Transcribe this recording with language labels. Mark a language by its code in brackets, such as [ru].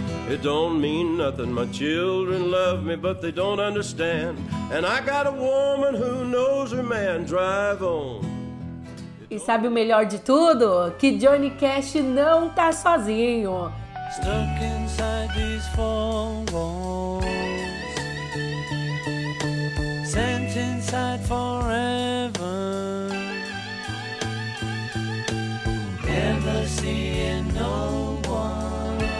[en] It don't mean nothing, my children love me, but they don't understand. And I got a woman who knows her man, drive on. [pt] E sabe o melhor de tudo? Que Johnny Cash não tá sozinho. [en] Stuck inside these four walls, sent inside forever, never seeing no one.